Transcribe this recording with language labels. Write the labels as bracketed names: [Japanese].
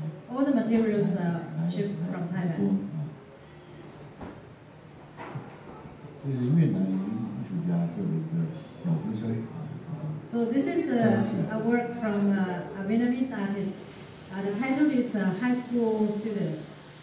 [English] All the materials are shipped from Thailand. [Chinese] 越南艺术家就是一个小学生。 [English] So this is a work from a Vietnamese artist. The title is High School Students.